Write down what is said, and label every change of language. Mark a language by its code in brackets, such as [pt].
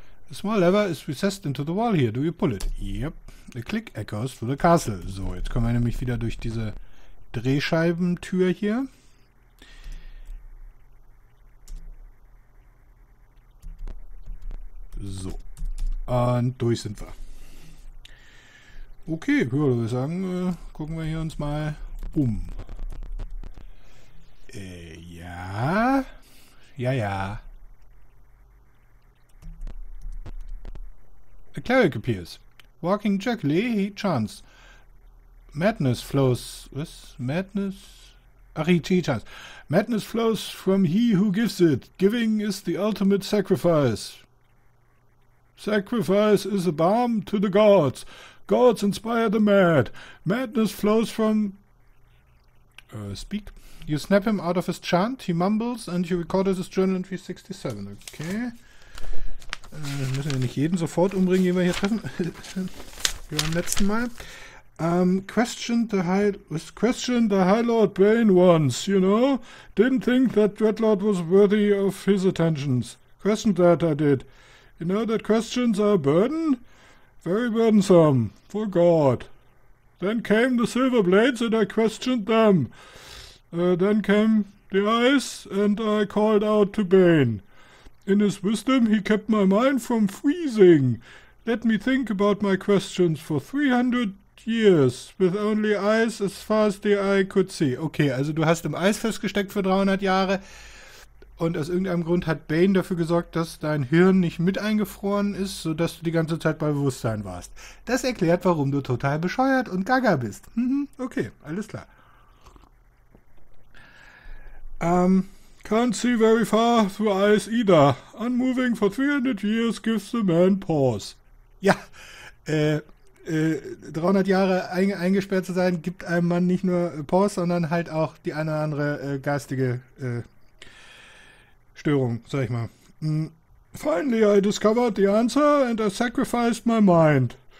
[en] A small lever is recessed into the wall here. Do you pull it? Yep. A click echoes through the castle. [de] So, jetzt kommen wir nämlich wieder durch diese Drehscheibentür hier. So. Und durch sind wir. Okay, ja, würde ich sagen, gucken wir hier uns mal um. Ja. [en] A cleric appears. Walking jerkily, he chants. Madness flows. [de] Was? [en] Madness? Ach, he chants. Madness flows from he who gives it. Giving is the ultimate sacrifice. Sacrifice is a balm to the gods. Gods inspire the mad. Madness flows from. Speak. You snap him out of his chant. He mumbles and you record his journal in 367. Okay. [de] Müssen wir nicht jeden sofort umbringen, den wir hier treffen? Wie beim letzten Mal. [en] Question the High Lord Bane once, you know? Didn't think that Dreadlord was worthy of his attentions. Question that I did. You know that questions are a burden? Very burdensome. For God. Then came the Silver Blades and I questioned them. Then came the ice and I called out to Bane. In his wisdom, he kept my mind from freezing. Let me think about my questions for 300 years, with only ice as far as the eye could see. [de] Okay, also du hast im Eis festgesteckt für 300 Jahre und aus irgendeinem Grund hat Bane dafür gesorgt, dass dein Hirn nicht mit eingefroren ist, sodass du die ganze Zeit bei Bewusstsein warst. Das erklärt, warum du total bescheuert und Gaga bist. Okay, alles klar. [en] Can't see very far through ice either. Unmoving for 300 years gives the man pause. [de] Ja, 300 Jahre eingesperrt zu sein, gibt einem Mann nicht nur Pause, sondern halt auch die eine oder andere geistige Störung, sag ich mal. [en] Finally, I discovered the answer and I sacrificed my mind.